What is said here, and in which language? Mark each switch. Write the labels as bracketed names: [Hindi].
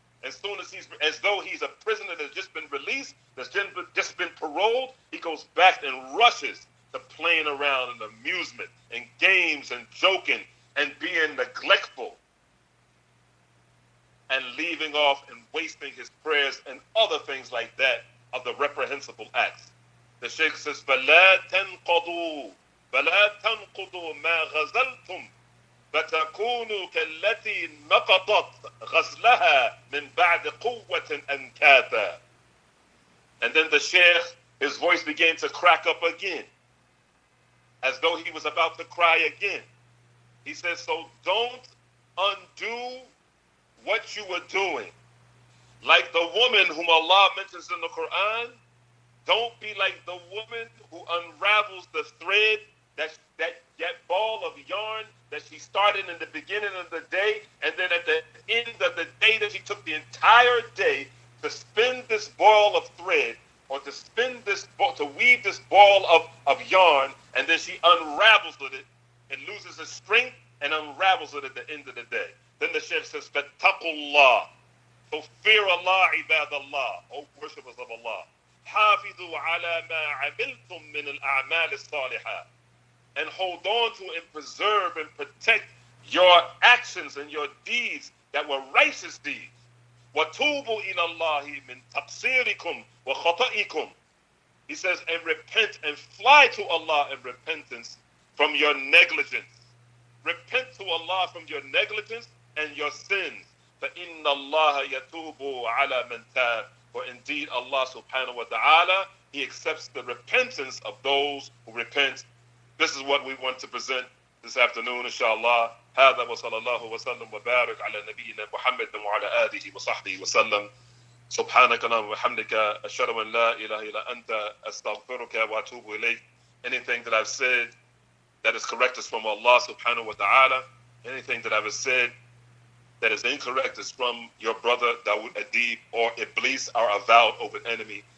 [English] As soon as he's, as though he's a prisoner that's just been released, that's just been paroled, he goes back and rushes to playing around in amusement and games and joking and being neglectful and leaving off and wasting his prayers and other things like that of the reprehensible acts. The Sheikh says, [Arabic] فَلَا تَنْقُضُوا مَا غَزَلْتُمْ فَتَكُونُوا كَالَّتِي نَقَضَتْ غَزْلَهَا مِنْ بَعْدِ قُوَّةٍ أَنْكَاثًا. [English] And then the Sheikh, his voice began to crack up again, as though he was about to cry again. He says, so don't undo what you were doing. Like the woman whom Allah mentions in the Quran, don't be like the woman who unravels the thread, that ball of yarn that she started in the beginning of the day, and then at the end of the day that she took the entire day to spin this ball of thread, or to spin this, to weave this ball of yarn, and then she unravels it and loses the strength and unravels it at the end of the day. Then the Sheikh says, Fattakullah. So fear Allah, ibadallah, O worshippers of Allah. [Arabic] حافظوا على ما عملتم من الأعمال الصالحة. [English] And hold on to and preserve and protect your actions and your deeds that were righteous deeds. [Arabic] وَتُوبُوا إِلَى اللَّهِ مِنْ تَقْصِيرِكُمْ وَخَطَئِكُمْ. [English] He says, and repent and fly to Allah in repentance from your negligence. Repent to Allah from your negligence and your sins. [Arabic] فَإِنَّ اللَّهَ يَتُوبُ عَلَى مَنْ تَابُ. [English] For indeed Allah subhanahu wa ta'ala, he accepts the repentance of those who repent. This is what we want to present this afternoon, inshallah. [Arabic] هذا وصلى الله وسلم وبارك على نبينا محمد وعلى آله وصحبه وسلم. سبحانك اللهم وبحمدك أشهد أن لا إله إلا أنت أستغفرك وأتوب إليك. [English] Anything that I've said that is correct is from Allah subhanahu wa ta'ala. Anything that I've said that is incorrect is from your brother Dawood Adib or Iblis, our avowed open enemy.